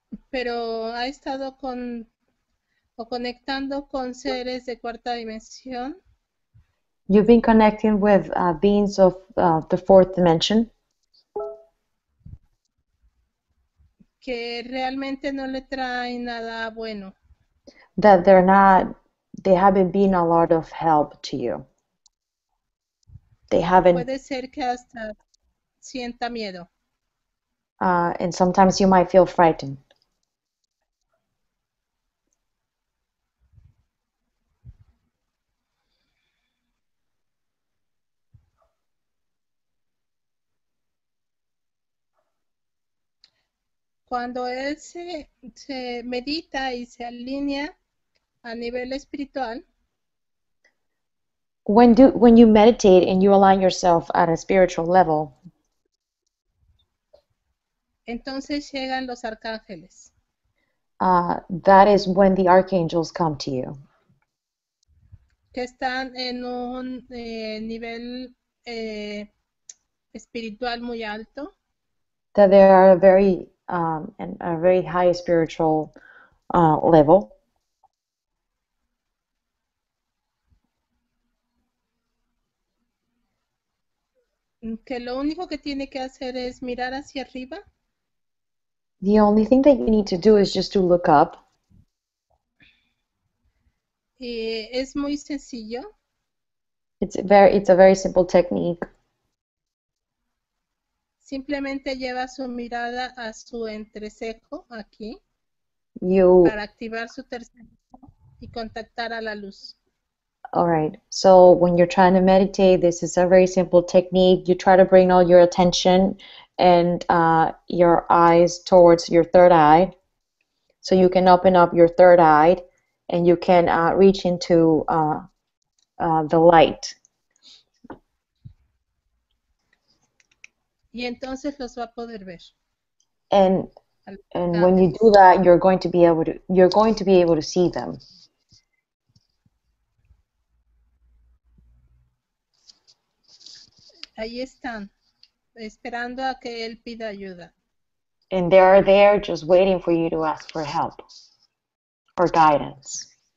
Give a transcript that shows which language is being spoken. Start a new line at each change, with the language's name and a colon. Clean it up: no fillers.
Spanish: Pero ha estado conectando con seres de cuarta dimensión.
English: You've been connecting with beings of the fourth dimension.
Spanish: Que realmente no le trae nada bueno.
English: That they haven't been a lot of help to you. They haven't.
Spanish: Puede ser que hasta sienta miedo.
English: And sometimes you might feel frightened.
Spanish: Cuando él se medita y se alinea a nivel espiritual.
English: When you meditate and you align yourself at a spiritual level.
Spanish: Entonces llegan los arcángeles.
English: That is when the archangels come to you.
Spanish: Que están en un nivel espiritual muy alto.
English: That they are and a very high spiritual level.
Spanish: Que lo único que tiene que hacer es mirar hacia arriba.
English: The only thing that you need to do is just to look up.
Spanish: Es muy sencillo.
English: It's a very simple technique.
Spanish: Simplemente lleva su mirada a su entrecejo aquí para activar su tercer ojo y contactar a la luz.
English: All right. So when you're trying to meditate, this is a very simple technique. You try to bring all your attention and your eyes towards your third eye. So you can open up your third eye and you can reach into the light.
Spanish: Y entonces los va a poder ver.
English: And when you do that, you're going to be able to see them.
Spanish: Ahí están, esperando a que él pida ayuda.
English: And they are there just waiting for you to ask for help or guidance.